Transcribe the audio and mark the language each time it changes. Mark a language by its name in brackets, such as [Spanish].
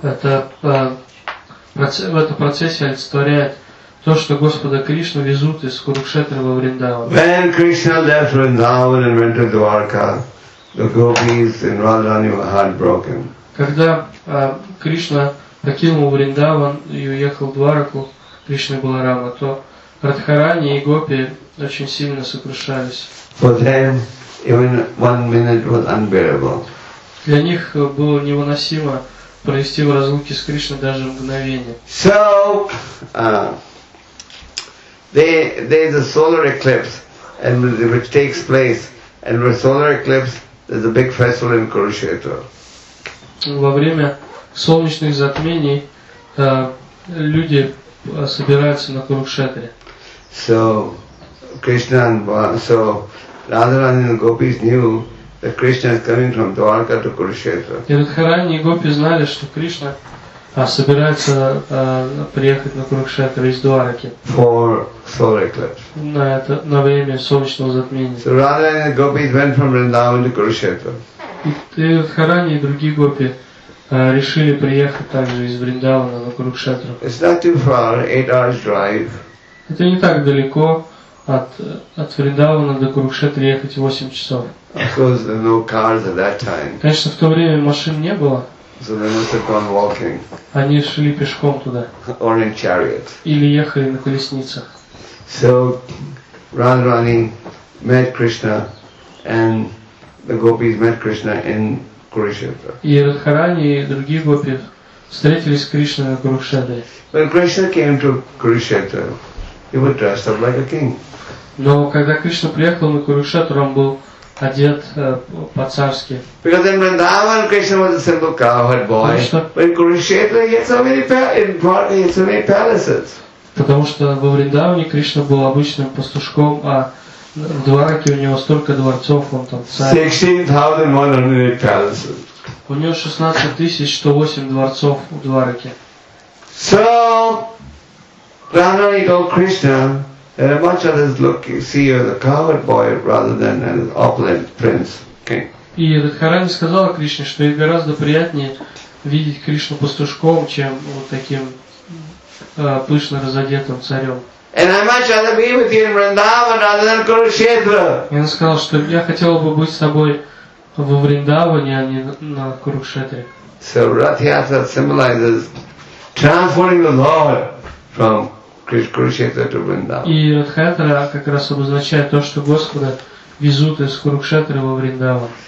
[Russian] Это процессия олицетворяет то, что Господа Кришну везут из Курукшетры во Вриндаван. [English] When Krishna left Vrindavan and went to Dwarka, the gopis and Radharani were heartbroken. [Russian] Когда Кришна покинул Вриндаван и уехал в Двараку, Кришна Баларама, то Радхарани и гопи очень сильно сокрушались. [English] For them, even one minute was unbearable. [Russian] Для них было невыносимо провести в разлуке с Кришной даже мгновение. [English] So, there's a solar eclipse, and which takes place, and with solar eclipse, there's a big festival in Kurukshetra. [Russian] Во время солнечных затмений люди собираются на Курукшетре. [English] So, Krishna and so Radharani and Gopis knew that Krishna is coming from Dwarka to Kurukshetra. [Russian] И Радхарани и Гопи знали, что Кришна собирается приехать на Курукшетру из Дуарки. [English] For solar eclipse. [Russian] На время солнечного затмения. [English] So Radharani and Gopis went from Vrindavan to Kurukshetra. [Russian] И Радхарани и другие Гопи решили приехать также из Вриндавана на Курукшетру. [English] It's not too far, 8 hours drive. [Russian] Это не так далеко от Вриндавана до Курукшетры ехать 8 часов. [English] Of course, there were no cars at that time. [Russian] Конечно, в то время машин не было. [English] So they must have gone walking. [Russian] Они шли пешком туда. [English] Or in chariot. [Russian] Или ехали на колесницах. [English] So Radharani met Krishna and the gopis met Krishna in Kurukshetra. [Russian] И Радхарани и другие гопи встретились с Кришной на Курукшетре. [English] When Krishna came to Kurukshetra, he was dressed up like a king. [Russian] Но когда Кришна приехал на Курукшетру, он был одет по-царски. [English] Because in Vrindavan, Krishna was a simple cowherd boy. But in Kurukshetra, he had so many palaces. [Russian] Потому что во Вриндаване Кришна был обычным пастушком, а в Двараке у него столько дворцов, он там царь. [English] 16,108 palaces. [Russian] У него 16,108 дворцов в Двараке. [English] So, Radharani told Krishna that a bunch of others look see you as a coward boy rather than an opulent prince. Okay. [Russian] И Радхарани сказала Кришне, что ей гораздо приятнее видеть Кришну пастушком, чем вот таким пышно разодетым царем. [English] And I much rather be with you in Vrindavan rather than Kurukshetra. [Russian] И она сказала, что я хотела бы быть с тобой во Вриндаване, а не на Курукшетре. [English] So Radhyatra symbolizes transforming the Lord from [Russian] Кришкурукшетра Вриндава. И Радхакатра как раз обозначает то, что Господа везут из Курукшетры во Вриндаван.